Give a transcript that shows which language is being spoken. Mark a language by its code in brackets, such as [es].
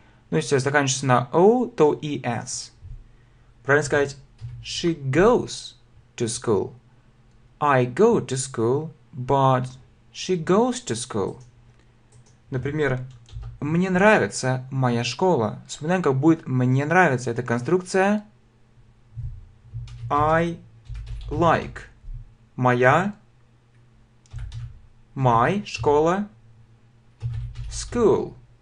[ru] Ну, если заканчивается на O, то ES. Правильно сказать, [en] she goes to school. I go to school, but she goes to school. [ru] Например, мне нравится моя школа. Вспоминаем, как будет мне нравится эта конструкция. [en] I like моя, my, школа, school.